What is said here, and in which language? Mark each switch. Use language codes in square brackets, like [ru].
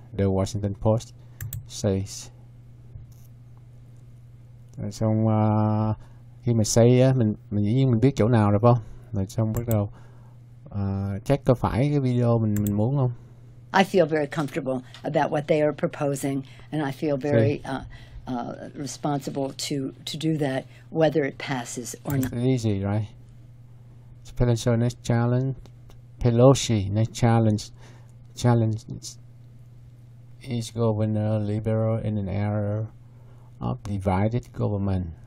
[en] The Washington Post says. [vi] Rồi xong khi mà say á, mình dĩ nhiên mình biết chỗ nào rồi phải không? Rồi xong bắt đầu check có phải cái video mình muốn không? [en] I feel very comfortable about what they are proposing, and I feel Say. very responsible to do that, whether it passes or not. Easy, right? Pelosi next challenge. Pelosi next challenge. Challenge is governor liberal in an era of divided government.